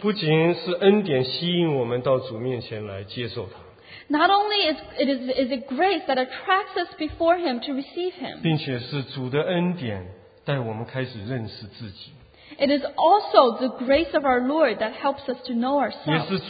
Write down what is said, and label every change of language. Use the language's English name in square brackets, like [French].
[Chinese] 不仅是恩典吸引我们到主面前来接受他。 [English] Not only is it grace that attracts us before him to receive him. [Chinese] 并且是主的恩典带我们开始认识自己。 [English] It is also the grace of our Lord that helps us to know ourselves.